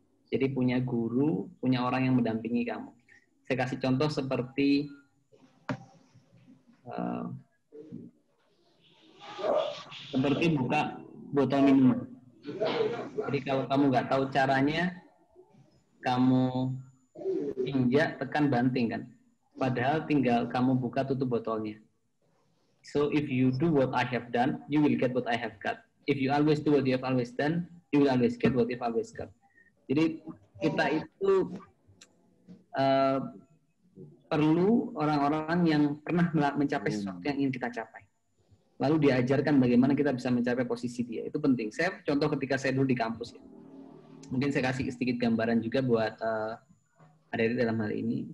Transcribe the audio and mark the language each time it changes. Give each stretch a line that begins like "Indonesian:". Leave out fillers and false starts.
Indonesian: Jadi punya guru, punya orang yang mendampingi kamu. Saya kasih contoh seperti seperti buka botol minuman. Jadi kalau kamu nggak tahu caranya, kamu injak, tekan, banting kan. Padahal tinggal kamu buka tutup botolnya.
English: So if you do what I have done, you will get what I have got. If you always do what you have always done, you will always get what you have always got.
Indonesian: Jadi kita itu perlu orang-orang yang pernah mencapai sesuatu yang ingin kita capai. lalu diajarkan bagaimana kita bisa mencapai posisi dia. Itu penting. Saya contoh ketika saya dulu di kampus ya. Mungkin saya kasih sedikit gambaran juga buat adik-adik dalam hal ini.